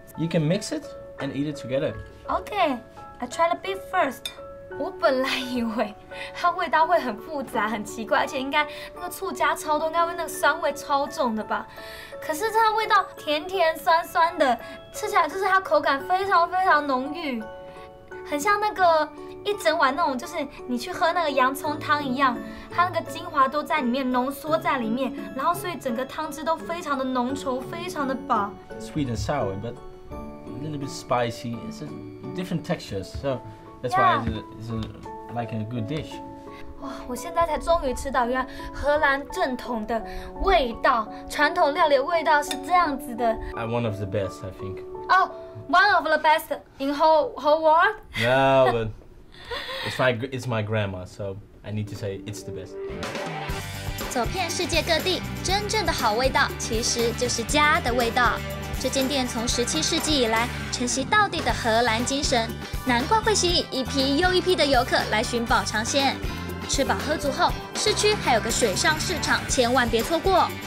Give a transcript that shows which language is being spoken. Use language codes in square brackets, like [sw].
[en] You can mix it and eat it together. Okay, I try the beef first. [zh] 我本来以为它味道会很复杂、很奇怪，而且应该那个醋加超多，应该会那个酸味超重的吧。可是它味道甜甜酸酸的，吃起来就是它口感非常非常浓郁，很像那个一整碗那种，就是你去喝那个洋葱汤一样，它那个精华都在里面浓缩在里面，然后所以整个汤汁都非常的浓稠、非常的饱。 [en] Sweet and sour, but. A little bit spicy, it's a different textures, so that's why it's a, like a good dish. [zh] 哇，我现在才终于吃到原来荷兰正统的味道，传统料理的味道是这样子的。 [en] I'm one of the best, I think. Oh, one of the best in whole world? No, but it's my grandma, so I need to say it's the best. [zh] 走遍世界各地，真正的好味道其实就是家的味道。这间店从17世纪以来承袭道地的荷兰精神，难怪会吸引一批又一批的游客来寻宝尝鲜。吃饱喝足后，市区还有个水上市场，千万别错过。